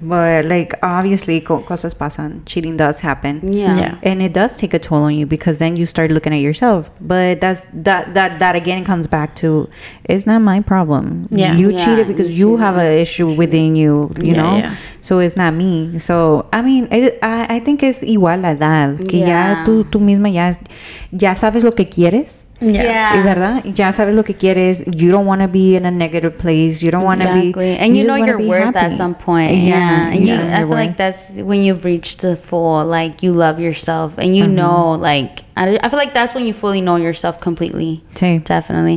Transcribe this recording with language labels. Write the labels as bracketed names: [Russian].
[English] But like obviously, [Spanish] cosas pasan. [English] Cheating does happen. Yeah. And it does take a toll on you because then you start looking at yourself. But that's that again comes back to, it's not my problem. Yeah. You cheated because you have an issue within you. You know. Yeah. So it's not me. So I mean, I think it's [Spanish] igual la edad. Que ya tú misma ya sabes lo que quieres. [English] Yeah. [Spanish] Y verdad, ya sabes lo que quieres. [English] You don't want to be in a negative place. You don't want to exactly. be. And you know your worth happy. At some point. Yeah. yeah. And you, yeah. I feel like that's when you've reached the full, like you love yourself and you mm-hmm. know, like, I feel like that's when you fully know yourself completely. Same. Definitely.